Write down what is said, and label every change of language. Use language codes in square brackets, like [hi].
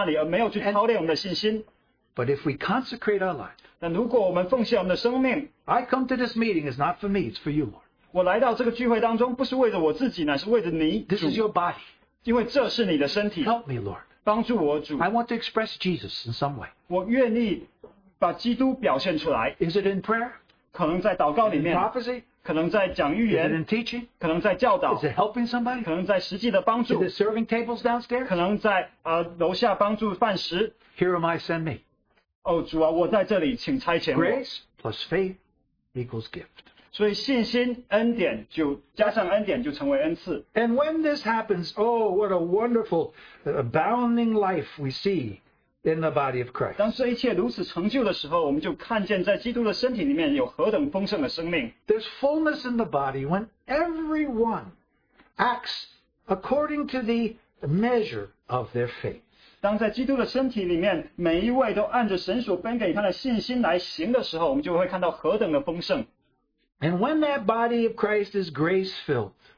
[zh] 我们常常就停在那个地步，就是我们自己里面有个感觉，但是我们就停在那里，而没有去操练我们的信心。 [en] But if we consecrate our life, [zh] 但如果我们奉献我们的生命, [en] I come to this meeting is not for me, it's for you, Lord. [zh] 我来到这个聚会当中不是为了我自己，乃是为着你。 [en] This is your body. [zh] 因为这是你的身体。 [en] Help me, Lord. [zh] 帮助我主。 [en] I want to express Jesus in some way. [zh] 我愿意把基督表现出来。 [en] Is it in prayer? [zh] 可能在祷告里面。 [en] In prophecy? [zh] 可能在讲预言, [en] is it in teaching? [zh] 可能在教导, [en] is it helping somebody? [zh] 可能在实际的帮助, [en] is it serving tables downstairs? [zh] 可能在, 楼下帮助饭食, [en] here am I, send me. [zh] Oh, 主啊, 我在这里, 请差遣我。 [en] Grace plus faith equals gift. [zh] 所以信心恩典就加上恩典就成为恩赐。 [en] And when this happens, oh, what a wonderful abounding life we see in the body of Christ. [zh] 当这一切如此成就的时候, 我们就看见在基督的身体里面有何等丰盛的生命。 [en] There's fullness in the body when everyone acts according to the measure of their faith. [zh] 当在基督的身体里面, 每一位都按着神所分给他的信心来行的时候, 我们就会看到何等的丰盛。 [en] And when that body of Christ is grace-filled,